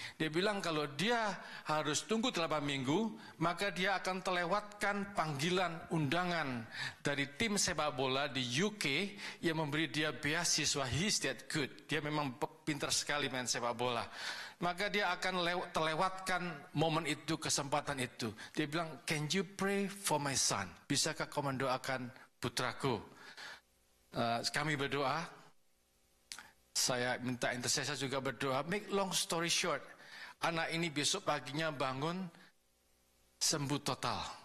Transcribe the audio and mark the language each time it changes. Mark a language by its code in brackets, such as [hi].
[id] Dia bilang kalau dia harus tunggu 8 minggu, maka dia akan terlewatkan panggilan undangan dari tim sepak bola di UK yang memberi dia beasiswa. [en] He's that good. [id] Dia memang pintar sekali main sepak bola. Maka dia akan terlewatkan momen itu, kesempatan itu. Dia bilang, [en] can you pray for my son? [id] Bisakah kau mendoakan putraku? Kami berdoa, saya minta intercessor juga berdoa. [en] Make long story short, [id] anak ini besok paginya bangun sembuh total.